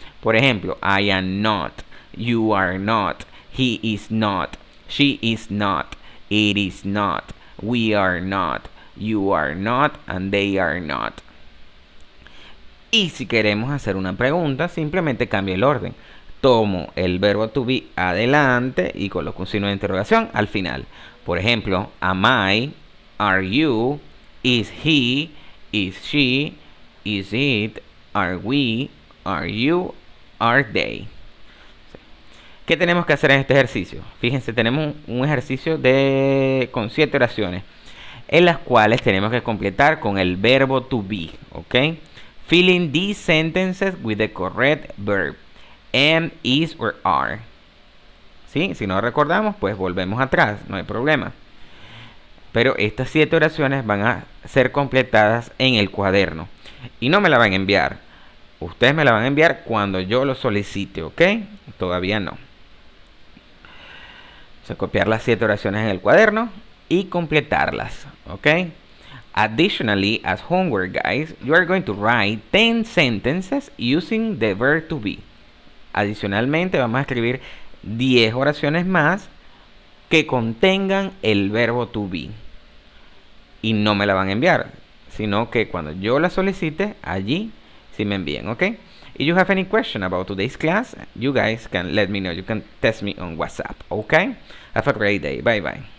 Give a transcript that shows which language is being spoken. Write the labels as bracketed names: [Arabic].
[Spanish] Por ejemplo, [English] I am not, you are not, he is not, she is not, it is not, we are not, you are not, and they are not. [Spanish] Y si queremos hacer una pregunta, simplemente cambia el orden. Tomo el verbo to be adelante y coloco un signo de interrogación al final. Por ejemplo, [English] am I, are you, is he, is she, is it, are we, are you, are they? [Spanish] ¿Qué tenemos que hacer en este ejercicio? Fíjense, tenemos un ejercicio de con 7 oraciones, en las cuales tenemos que completar con el verbo to be, ¿ok? [English] Filling these sentences with the correct verb, am, is, or are. [Spanish] ¿Sí? Si no recordamos, pues volvemos atrás, no hay problema. Pero estas 7 oraciones van a ser completadas en el cuaderno. Y no me la van a enviar. Ustedes me la van a enviar cuando yo lo solicite, ¿ok? Todavía no. O sea, copiar las 7 oraciones en el cuaderno y completarlas, ¿ok? [English] Additionally, as homework, guys, you are going to write 10 sentences using the verb to be. [Spanish] Adicionalmente, vamos a escribir 10 oraciones más que contengan el verbo to be. Y no me la van a enviar, sino que cuando yo la solicite, allí sí me envíen, ¿ok? [English] If you have any question about today's class, you guys can let me know. You can text me on WhatsApp, ¿ok? Have a great day. Bye bye.